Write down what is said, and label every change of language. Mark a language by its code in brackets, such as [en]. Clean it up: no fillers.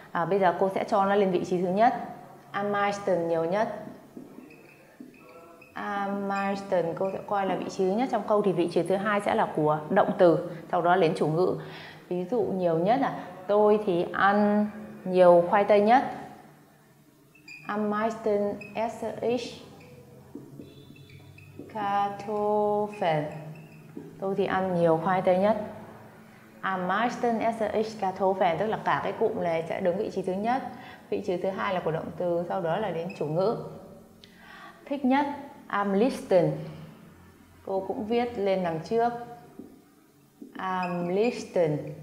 [vi] Bây giờ cô sẽ cho nó lên vị trí thứ nhất. [de] Am meisten [vi] nhiều nhất. [de] Am meisten [vi] cô sẽ coi là vị trí thứ nhất trong câu. Thì vị trí thứ hai sẽ là của động từ, sau đó đến chủ ngữ. Ví dụ nhiều nhất là tôi thì ăn nhiều khoai tây nhất. [de] Am meisten esse ich Kartoffeln. [vi] Tôi thì ăn nhiều khoai tây nhất. [de] Am meisten esse ich Kartoffeln, [vi] tức là cả cái cụm này sẽ đứng vị trí thứ nhất. Vị trí thứ hai là của động từ, sau đó là đến chủ ngữ. Thích nhất, [de] am liebsten. [vi] Cô cũng viết lên đằng trước. [de] Am liebsten.